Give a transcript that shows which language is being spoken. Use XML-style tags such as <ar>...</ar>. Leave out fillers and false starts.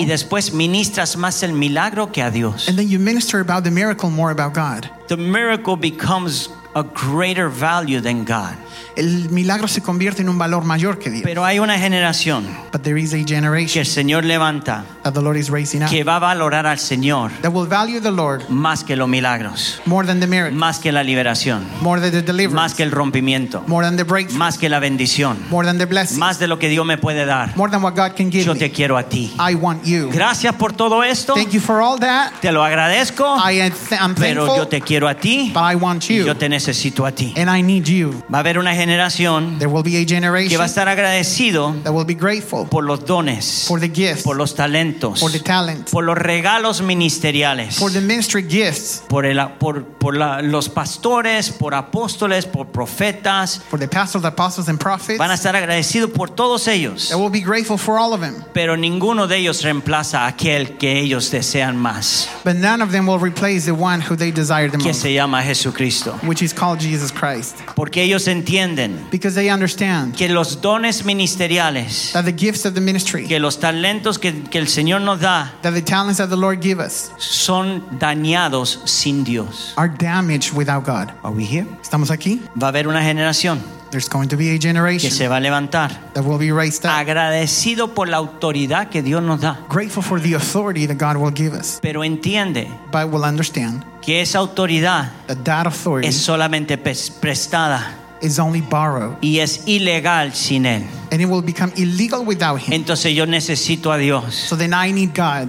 <es>Y después ministras más el milagro que a Dios.</es> <en>And then you minister about the miracle more about God. The miracle becomes a greater value than God.</en> <es>El milagro se convierte en un valor mayor que Dios. Pero hay una generación.</es> <en>But there is a generation.</en> <es>Que el Señor levanta.</es> <en>That the Lord is raising up.</en> <es>Que va a valorar al Señor.</es> <en>That will value the Lord.</en> <es>Más que los milagros.</es> <en>More than the miracles.</en> <es>Más que la liberación.</es> <en>More than the deliverance.</en> <es>Más que el rompimiento.</es> <en>More than the breakthrough.</en> <es>Más que la bendición.</es> <en>More than the blessing.</en> <es>Más de lo que Dios me puede dar.</es> <en>More than what God can give</en> <es>Yo</es> <en>me.</en> <es>Te quiero a ti.</es> <en>I want you.</en> <es>Gracias por todo esto.</es> <en>Thank you for all that.</en> <es>Te lo agradezco.</es> <en>I'm thankful.</en> <es>Pero yo te quiero a ti.</es> <en>But I want you.</en> <es>Y yo te necesito a ti.</es> <en>And I need you.</en> <es>Va a haber una generación.</es> <en>There will be a generation.</en> <es>Que va a estar agradecido.</es> <en>That will be grateful.</en> <es>Por los dones.</es> <en>For the gifts.</en> <es>Por los talentos.</es> <en>For the talent.</en> <es>Por los regalos ministeriales.</es> <en>For the ministry gifts.</en> <es>Por los pastores, por apóstoles, por profetas.</es> <en>For the pastors, apostles, and prophets.</en> <es>Van a estar agradecidos por todos ellos.</es> <en>They will be grateful for all of them.</en> <es>Pero ninguno de ellos reemplaza aquel que ellos desean más.</es> <en>But none of them will replace the one who they desire the most.</en> <es>Que se llama Jesucristo.</es> <en>Which is called Jesus Christ.</en> <es>Porque ellos entienden.</es> <en>Because they understand.</en> <es>Que los dones ministeriales.</es> <en>That the gifts of the ministry.</en> <es>Que los talentos que el Señor nos da,</es> <en>that the talents that the Lord give us</en> <es>son dañados sin Dios.</es> <en>Are damaged without God. Are we here?</en> <es>Estamos aquí. Va a haber una generación.</es> <en>There's going to be a generation</en> <es>que se va a levantar.</es> <en>That will be raised up.</en> <es>Agradecido por la autoridad que Dios nos da.</es> <en>Grateful for the authority that God will give us.</en> <es>Pero entiende.</es> <en>But will understand.</en> <es>Que esa autoridad</es> <en>that authority</en> <es>es solamente prestada.</es> <en>Is only borrowed.</en> <es>Y es ilegal sin él.</es> <en>And it will become illegal without him.</en> <es>Entonces yo necesito a Dios. So then I need God.</es>